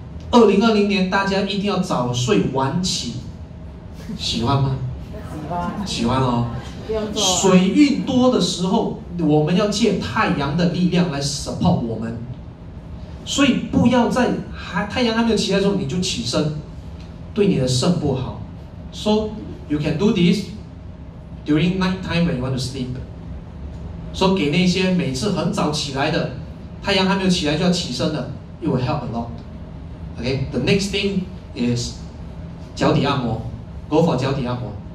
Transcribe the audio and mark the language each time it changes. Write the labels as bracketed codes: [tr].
[zh] 2020年大家一定要早睡晚起，喜欢吗？喜欢。喜欢哦。水运多的时候，我们要借太阳的力量来 support 我们，所以不要在太阳还没有起来的时候你就起身，对你的肾不好。 [en] So you can do this during night time when you want to sleep. [zh] So 给那些每次很早起来的，太阳还没有起来就要起身的， [en] it will help a lot. Okay, the next thing is 脚底按摩， go for 脚底按摩。